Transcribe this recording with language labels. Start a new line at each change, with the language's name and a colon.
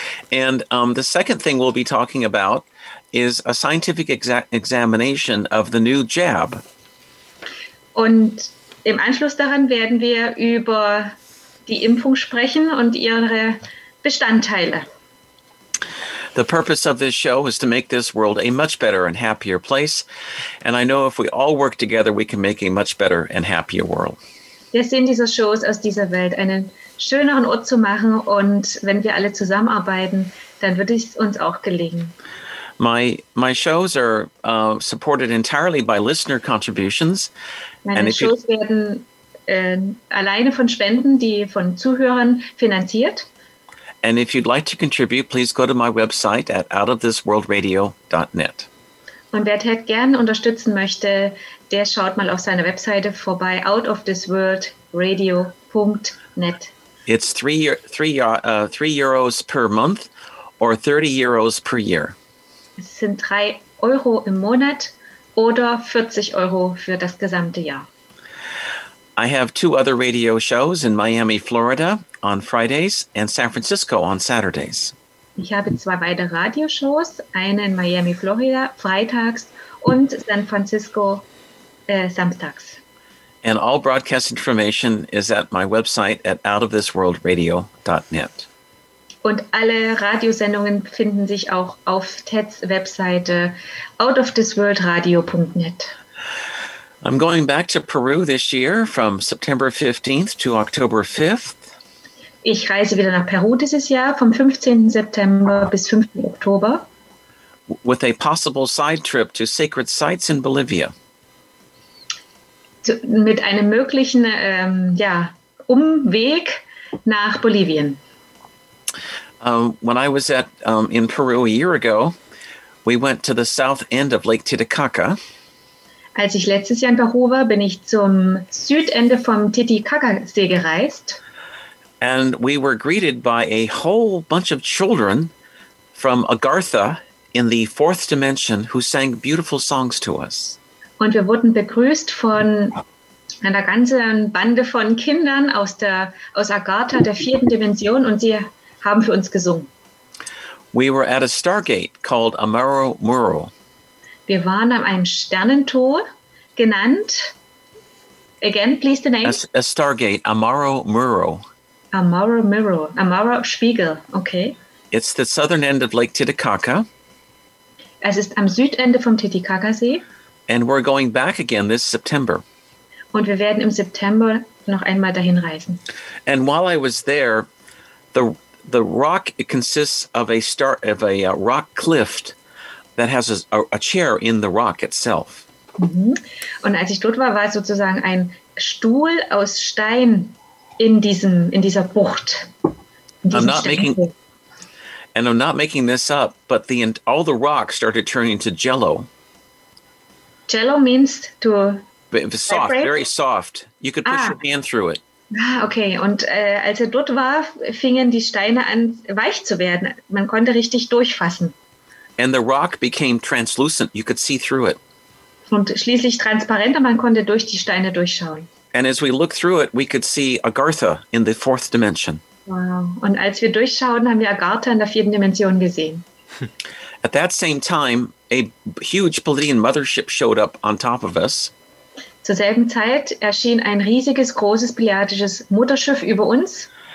English: And the second thing we'll be talking about is a scientific examination of the new jab.
German: Und im Anschluss daran werden wir über die Impfung sprechen und ihre Bestandteile.
English: The purpose of this show is to make this world a much better and happier place. And I know if we all work together, we can make a much better and happier world.
German: Der Sinn dieser Show ist, aus dieser Welt einen schöneren Ort zu machen. Und wenn wir alle zusammenarbeiten, dann wird es uns auch gelingen.
English: My shows are supported entirely by listener contributions.
German: Meine Shows werden alleine von Spenden, die von Zuhörern finanziert.
English: And if you'd like to contribute, please go to my website at outofthisworldradio.net.
German: Und wer Ted gerne unterstützen möchte, der schaut mal auf seiner Webseite vorbei, outofthisworldradio.net.
English: It's €3 per month or €30 per year.
German: Es sind 3 € im Monat oder 40 € für das gesamte Jahr.
English: I have 2 other radio shows in Miami, Florida on Fridays and San Francisco on Saturdays.
German: Ich habe 2 weitere Radioshows, eine in Miami, Florida, freitags und San Francisco, samstags.
English: And all broadcast information is at my website at outofthisworldradio.net.
German: Und alle Radiosendungen finden sich auch auf Teds Webseite outofthisworldradio.net.
English: I'm going back to Peru this year from September 15th to October 5th.
German: Ich reise wieder nach Peru dieses Jahr vom 15. September bis 5. Oktober.
English: With a possible side trip to sacred sites in Bolivia.
German: Mit einem möglichen Umweg nach Bolivien.
English: When I was at in Peru a year ago, we went to the south end of Lake Titicaca.
German: Als ich letztes Jahr in Peru war, bin ich zum Südende vom Titicaca-See gereist.
English: And we were greeted by a whole bunch of children from Agartha in the fourth dimension who sang beautiful songs to us.
German: Und wir wurden begrüßt von einer ganzen Bande von Kindern aus Agartha, der vierten Dimension, und sie haben für uns gesungen.
English: We were at a Stargate called Amaro Muro.
German: Wir waren an einem Sternentor genannt.
English: Again, please the name. A Stargate, Amaro Muro.
German: Amaro Muro, Amaro Spiegel, okay.
English: It's the southern end of Lake Titicaca.
German: Es ist am Südende vom Titicacasee.
English: And we're going back again this September.
German: Und wir werden im September noch einmal dahin reisen.
English: And while I was there, the rock, it consists of a rock cliff that has a chair in the rock itself.
German: Und als ich dort war, war sozusagen ein Stuhl aus Stein in dieser Bucht.
English: I'm not making this up, but all the rocks started turning to jello. Jello means to soft, vibrate? Very soft. You could push your hand through it.
German: Okay, und als er dort war, fingen die Steine an, weich zu werden. Man konnte richtig durchfassen.
English: And the rock became translucent. You could see through it.
German: Und schließlich transparenter, man konnte durch die Steine durchschauen.
English: And as we looked through it, we could see Agartha in the fourth dimension. Wow.
German: Und als wir durchschauten, haben wir Agartha in der vierten Dimension gesehen.
English: At that same time, a huge Pleiadian mothership showed up on top of us.
German: Zur selben Zeit erschien ein riesiges, großes pleiadisches Mutterschiff über uns.